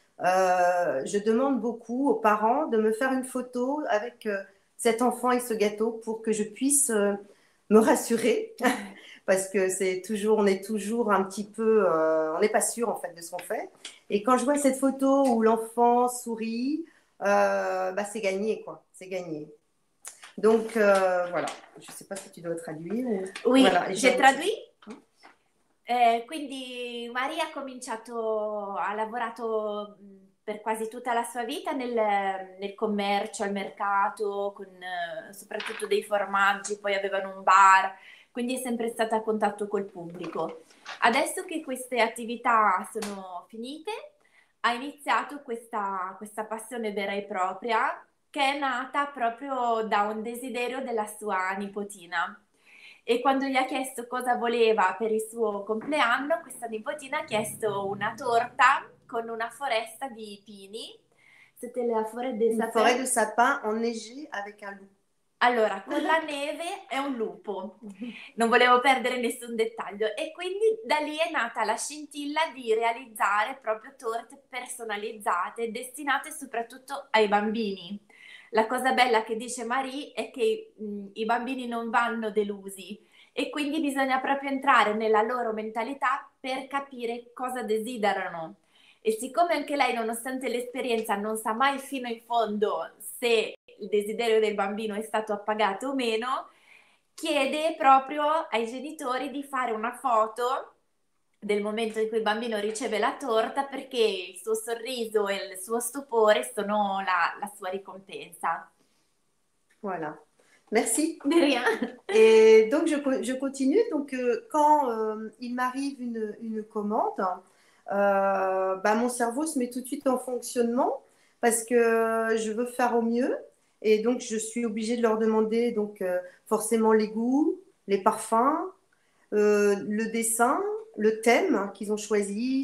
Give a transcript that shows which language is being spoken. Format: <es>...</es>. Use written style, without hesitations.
<fr>Je demande beaucoup aux parents de me faire une photo avec cet enfant et ce gâteau pour que je puisse me rassurer parce que c'est toujours, on est toujours un petit peu, on n'est pas sûr en fait de ce qu'on fait. Et quand je vois cette photo où l'enfant sourit, bah c'est gagné quoi, c'est gagné. Donc voilà, je ne sais pas si tu dois traduire. Ou... Oui, voilà, j'ai traduit.</fr> <it>Quindi Maria ha cominciato, ha lavorato per quasi tutta la sua vita nel commercio, al mercato, con soprattutto dei formaggi, poi avevano un bar, quindi è sempre stata a contatto col pubblico. Adesso che queste attività sono finite, ha iniziato questa passione vera e propria, che è nata proprio da un desiderio della sua nipotina. E quando gli ha chiesto cosa voleva per il suo compleanno, questa nipotina ha chiesto una torta con una foresta di pini.</it> <fr>C'était la forêt de sapin. Une forêt de sapin enneigée avec un loup.</fr> <it>Allora, con la neve è un lupo. Non volevo perdere nessun dettaglio. E quindi da lì è nata la scintilla di realizzare proprio torte personalizzate destinate soprattutto ai bambini. La cosa bella che dice Marie è che i bambini non vanno delusi e quindi bisogna proprio entrare nella loro mentalità per capire cosa desiderano. E siccome anche lei, nonostante l'esperienza, non sa mai fino in fondo se il desiderio del bambino è stato appagato o meno, chiede proprio ai genitori di fare una foto del momento in cui il bambino riceve la torta, perché il suo sorriso e il suo stupore sono la sua ricompensa.</it> <fr>Voilà, merci. De rien. Et donc je continue. Donc quand il m'arrive une commande, bah mon cerveau se met tout de suite en fonctionnement parce que je veux faire au mieux, et donc je suis obligée de leur demander donc forcément les goûts, les parfums, le dessin, le thème qu'ils ont choisi.</fr>